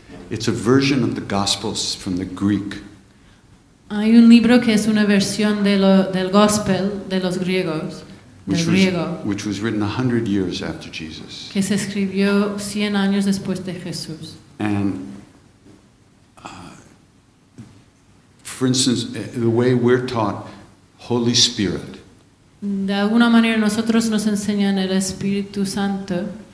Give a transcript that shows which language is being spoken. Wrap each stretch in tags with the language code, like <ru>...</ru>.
<en>it's a version of the Gospels from the Greek.</en> <es>Hay un libro que es una versión de del Gospel de los griegos,</es> <en>which was written 100 years after Jesus.</en> <es>Que se escribió 100 años después de Jesús.</es> <en>And for instance, the way we're taught Holy Spirit.</en> <es>De alguna manera nosotros nos enseñan el Espíritu Santo.</es>